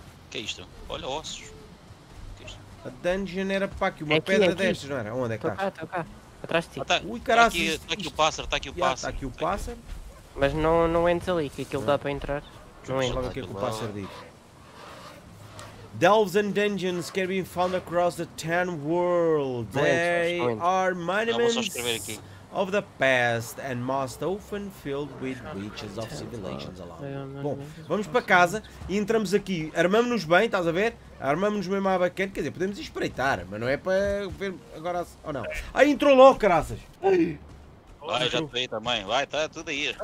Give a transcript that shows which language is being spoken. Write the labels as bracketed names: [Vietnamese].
[Portuguese] Que é isto? Olha, ossos. A dungeon era para aqui, uma aqui, pedra destas, não era? Onde é que está? Está cá, atrás de ti. Ui, caralho, está aqui o pássaro. Mas não entres ali, que aquilo dá para entrar. Não entra. Olha o que é que o pássaro diz. [English] Delves and dungeons can be found across the 10 worlds. They are monuments of the past and most often filled with witches of civilizations alone. [Portuguese] Bom, vamos para casa e entramos aqui. Armamos-nos bem, estás a ver? Armamos-nos mesmo à bacana, quer dizer, podemos espreitar, mas não é para ver agora ou não. Aí entrou logo, caraças! Vai, já estou aí também, vai, está tudo aí.